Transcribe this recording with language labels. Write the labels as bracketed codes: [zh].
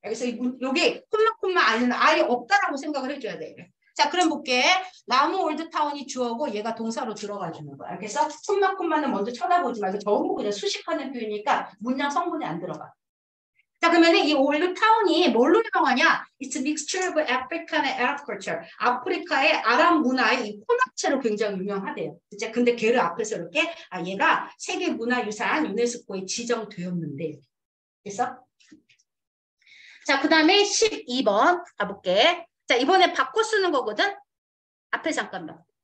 [ko] 여기서 여기 콤마 콤마 아니면 아예 없다라고 생각을 해 줘야 돼. 자 그럼 볼게. 나무 올드타운이 주어고 얘가 동사로 들어가 주는 거야. 그래서 콤마콤마는 먼저 쳐다보지 말고 저건 거 그냥 수식하는 표현이니까 문장 성분이 안 들어가. 자 그러면 이 올드타운이 뭘로 유명하냐. [en] It's a mixture of African and Arab culture. [ko] 아프리카의 아랍 문화의 이 혼합체로 굉장히 유명하대요. 진짜 근데 걔를 앞에서 이렇게 아 얘가 세계문화유산 유네스코에 지정되었는데. 됐어? 자 그 다음에 12번 가볼게. 자 이번에 바꿔 쓰는 거거든. 앞에 잠깐만.